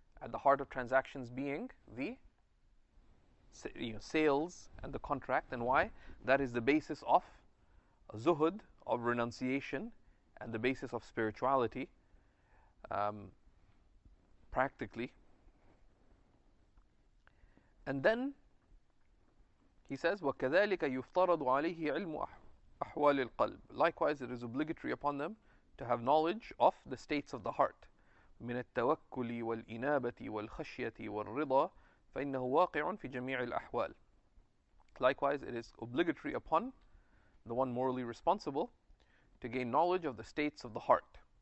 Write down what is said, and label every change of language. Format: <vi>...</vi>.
<en>At the heart of transactions being the sales and the contract, and why? That is the basis of zuhud, of renunciation, and the basis of spirituality, practically. And then he says,</en> <ar>وَكَذَلِكَ يُفْتَرَضُ عَلَيْهِ عِلْمُ أَحْوَالِ الْقَلْبِ.</ar> <en>Likewise, it is obligatory upon them to have knowledge of the states of the heart.</en> <ar>مِنَ التَّوَكُّلِ وَالْإِنَابَةِ وَالْخَشْيَةِ وَالْرِضَى فَإِنَّهُ وَاقِعٌ فِي جَمِيعِ الْأَحْوَالِ.</ar> <en>Likewise, it is obligatory upon the one morally responsible to gain knowledge of the states of the heart.</en>